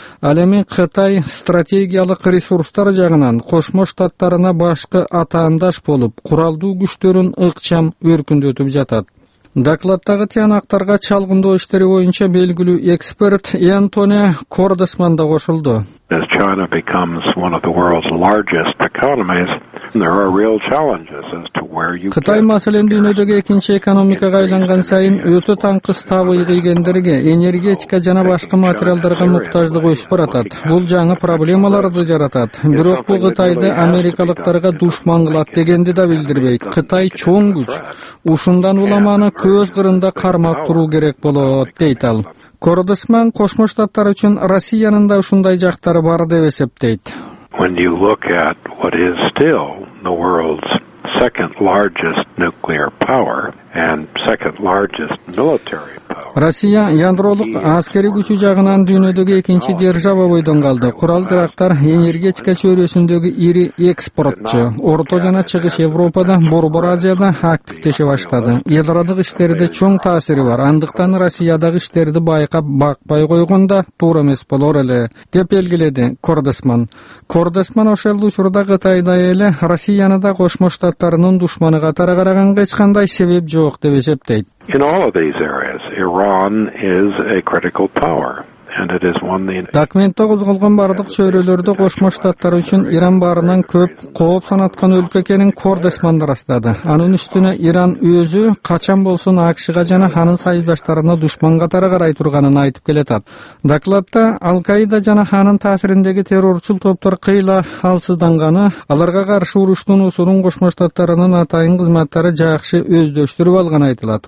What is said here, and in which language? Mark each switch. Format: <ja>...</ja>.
<ky>Ал эми Кытай стратегиялык ресурстар жагынан Кошмо Штаттарына башкы атаандаш болуп, куралдуу күчтөрүн ыкчам өркүндөтүп жатат. Докладтагы тыянактарга чалгындоо иштери боюнча белгилүү эксперт Энтони Кордесман да кошулду.</ky> <en>As China becomes one of the world's largest economies, there are real challenges as to where you</en> <ky>Кытай маселен дүйнөдөгү экинчи экономикага айланган сайын өтө таңкыс табы ийгендерге, энергетика жана башка материалдарга муктаждыгы өшүп баратат. Бул жаңы проблемаларды жаратат. Бирок бул Кытайды америкалыктарга душман кылат дегенди да билдирбейт. Кытай чоң күч. Ушундан улам аны көз кырында кармап туруу керек болот, дейт ал. Кордосман Кошмо Штаттар үчүн Россиянын да ушундай жактары бар деп эсептейт.</ky> <en>When you look at what is still the world's second largest nuclear power and second largest military power.</en> <ky>Россия яндролук аскерий күчү жагынан дүйнөдөгү экинчи держава бойдон калды. Курал-жарактар энергетика чөйрөсүндөгү ири экспортчу. Орто жана Чыгыш Европада, Борбор Азияда активдеше баштады. Элрадык иштерде чоң таасири бар. Андыктан Россиядагы иштерди байкап бакпай койгонда туура эмес болор эле, деп белгиледи Кордосман. Кордосман ошол учурда Кытайда эле Россияны да Кошмо Штаттарынын душманы катары караганга эч кандай себеп жок деп эсептейт.</ky> <en>In all of these areas, Iran is a critical power.</en> <ky>Документте козголгон бардык чөйрөлөрдө Кошмо Штаттар үчүн Иран баарынан көп кооп санаткан өлкө экенин Кордосман ырастады. Анын үстүнө Иран өзү качан болсун АКШга жана анын союздаштарына душман катары карай турганын айтып келатат. Докладта Ал-Каида жана анын таасириндеги террорчул топтор кыйла алсызданганы, аларга каршы уруштун усурун Кошмо Штаттарынын атайын кызматтары жакшы өздөштүрүп алган айтылат.</ky>